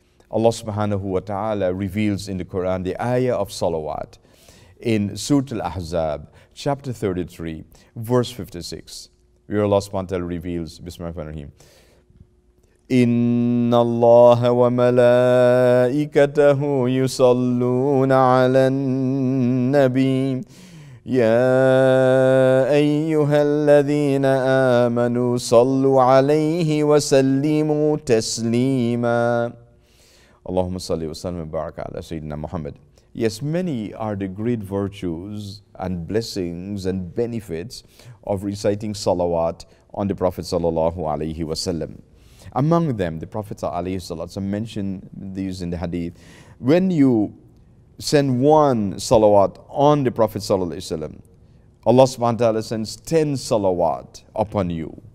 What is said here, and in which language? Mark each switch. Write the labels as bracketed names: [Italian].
[English] Allah subhanahu wa ta'ala reveals in the Quran the ayah of salawat in Surah Al-Ahzab, chapter 33, verse 56, where Allah subhanahu wa ta'ala reveals, Bismillah ar-Rahim, [Arabic] إن الله وملائكته يصلون على النبي يا أيها الذين آمنوا صلوا عليه وسلموا تسليما. اللهم صل وسلم وبارك على سيدنا محمد. [English] Yes, many are the great virtues and blessings and benefits of reciting salawat on the Prophet sallallahu alaihi wasallam. Among them, the Prophet sallallahu alaihi wasallam mentioned these in the hadith. When you send one salawat on the Prophet sallallahu alaihi wasallam, Allah subhanahu wa ta'ala sends 10 salawat upon you.